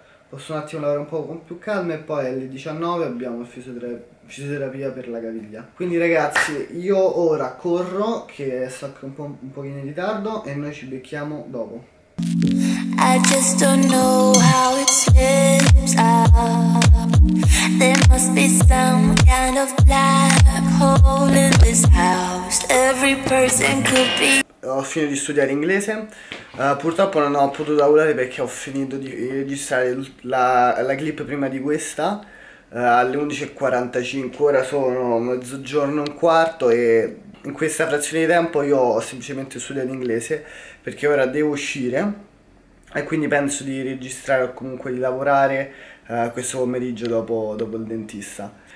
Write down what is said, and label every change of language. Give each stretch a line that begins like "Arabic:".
Italian: Posso un attimo lavorare un po' con più calma, e poi alle 19 abbiamo fisioterapia per la caviglia. Quindi ragazzi, io ora corro, che sto un pochino in ritardo, e noi ci becchiamo dopo.
English: I just don't know how it slips up. There must be some kind of black hole in this house. Every person could be.
Italian: Ho finito di studiare inglese, purtroppo non ho potuto lavorare perché ho finito di registrare la clip prima di questa alle 11.45, ora sono mezzogiorno un quarto, e in questa frazione di tempo io ho semplicemente studiato inglese perché ora devo uscire, e quindi penso di registrare o comunque di lavorare questo pomeriggio dopo il dentista.